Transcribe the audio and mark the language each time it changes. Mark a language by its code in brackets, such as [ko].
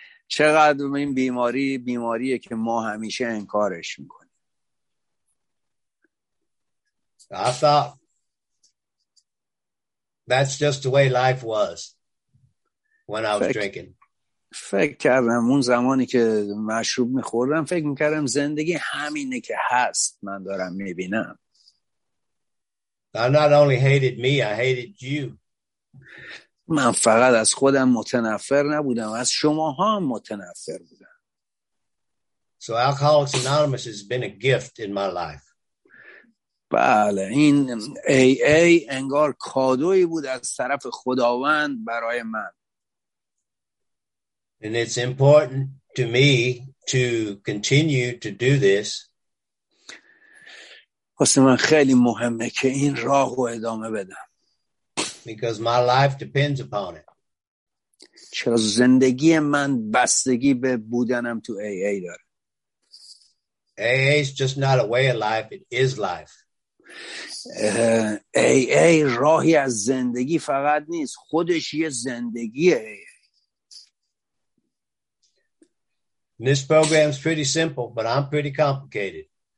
[fa] چقدر این بیماریه که ما همیشه انکارش میکنیم. [en] I thought that's just the way life was when I was drinking. [fa] فکر کردم اون زمانی که مشروب می‌خوردم فکر می‌کردم زندگی همینه که هست من دارم می‌بینم. [en] I not only hated me, I hated you. [fa] من فقط از خودم متنفر نبودم، از شماها متنفر بودم. [en] So Alcoholics Anonymous has been a gift in my life. [fa] بله، این AA انگار کادویی بود از طرف خداوند برای من. [en] And it's important to me to continue to do this. [fa] واسه من خیلی مهمه که این راهو ادامه بدم. [en] because my life depends upon it. [fa] چرا زندگی من بستگی به بودنم تو AA داره. [en] AA is just not a way of life, it is life. [fa] AA راهی از زندگی فقط نیست، خودش یه زندگیه. [en] This program is pretty simple, but I'm pretty complicated.